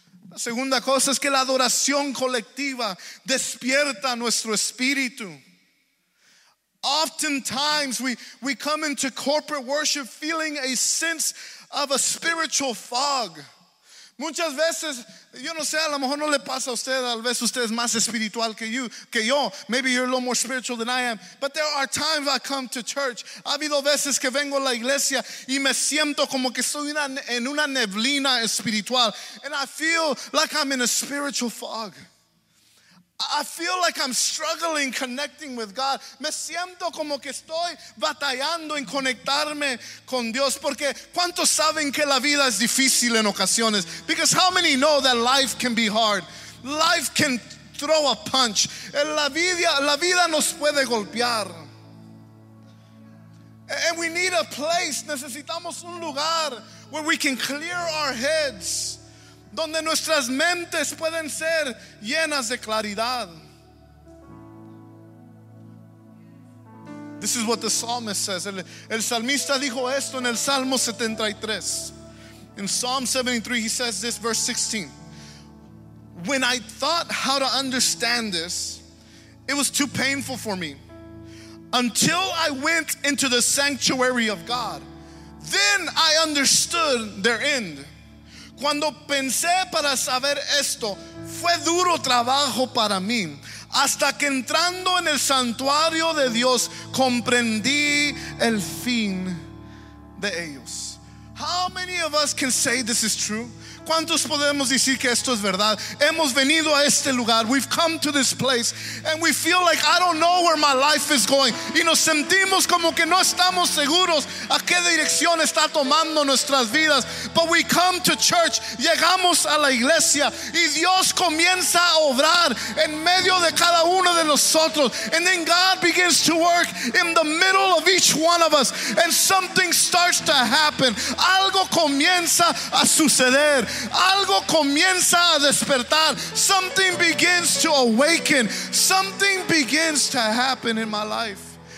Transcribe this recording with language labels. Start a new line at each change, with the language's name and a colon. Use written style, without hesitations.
Spanish: La segunda cosa es que la adoración colectiva despierta nuestro espíritu.
English: Oftentimes we come into corporate worship feeling a sense of a spiritual fog.
Spanish: Muchas veces, yo no sé, a lo mejor no le pasa a usted, tal vez usted es más espiritual que yo.
English: Maybe you're a little more spiritual than I am. But there are times I come to church.
Spanish: Ha habido veces que vengo a la iglesia y me siento como que estoy en una neblina espiritual.
English: And I feel like I'm in a spiritual fog. I feel like I'm struggling connecting with God.
Spanish: Me siento como que estoy batallando en conectarme con Dios. Porque ¿cuántos saben que la vida es difícil en ocasiones?
English: Because how many know that life can be hard? Life can throw a punch.
Spanish: La vida nos puede golpear.
English: And we need a place.
Spanish: Necesitamos un lugar
English: where we can clear our heads.
Spanish: Donde nuestras mentes pueden ser llenas de claridad.
English: This is what the psalmist says.
Spanish: El salmista dijo esto en el Salmo 73.
English: In Psalm 73, he says this, verse 16. When I thought how to understand this, it was too painful for me. Until I went into the sanctuary of God, then I understood their end.
Spanish: Cuando pensé para saber esto, fue duro trabajo para mí. Hasta que entrando en el santuario de Dios, comprendí el fin de ellos.
English: How many of us can say this is true?
Spanish: ¿Cuántos podemos decir que esto es verdad? Hemos venido a este lugar.
English: We've come to this place. And we feel like I don't know where my life is going.
Spanish: Y nos sentimos como que no estamos seguros a qué dirección está tomando nuestras vidas.
English: But we come to church.
Spanish: Llegamos a la iglesia. Y Dios comienza a obrar en medio de cada uno de nosotros.
English: And then God begins to work in the middle of each one of us. And something starts to happen.
Spanish: Algo comienza a suceder. Algo comienza a despertar.
English: Something begins to awaken. Something begins to happen in my life.